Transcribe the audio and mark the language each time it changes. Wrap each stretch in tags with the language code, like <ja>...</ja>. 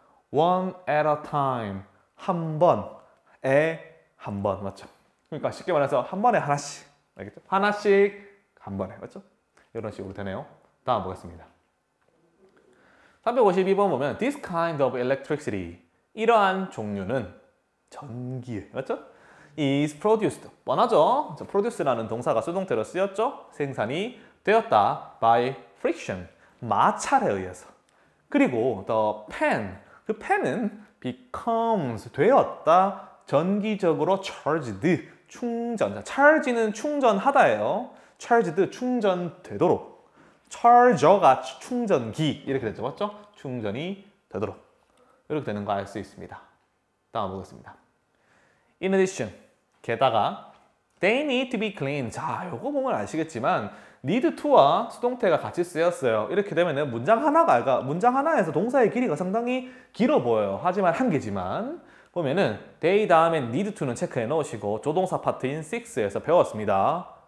<en>One at a time,</en> <ko>한 번에 한 번, 맞죠? 그러니까 쉽게 말해서 한 번에 하나씩, 알겠죠? 하나씩 한 번에, 맞죠? 이런 식으로 되네요. 다음 보겠습니다. 352번 보면</ko> <en>this kind of electricity,</en> <ko>이러한 종류는 전기, 맞죠?</ko> <en>is produced,</en> <ko>뻔하죠? produce라는 동사가 수동태로 쓰였죠? 생산이 되었다</ko> <en>by friction,</en> <ko>마찰에 의해서. 그리고</ko> <en>the pen,</en> <ko>그 pen은 becomes, 되었다, 전기적으로 charged, 충전. charge는 충전하다예요. charged, 충전되도록. charger가 충전기, 이렇게 되죠, 맞죠? 충전이 되도록. 이렇게 되는 거 알 수 있습니다. 다음 보겠습니다.</ko> <en>In addition,</en> <ko>게다가</ko> <en>they need to be clean.</en> <ko>자, 요거 보면 아시겠지만 need to와 수동태가 같이 쓰였어요. 이렇게 되면은 문장 하나가, 그러니까 문장 하나에서 동사의 길이가 상당히 길어 보여요. 하지만 한 개지만 보면은 they 다음에 need to는 체크해 놓으시고 조동사 파트인 6에서 배웠습니다.</ko>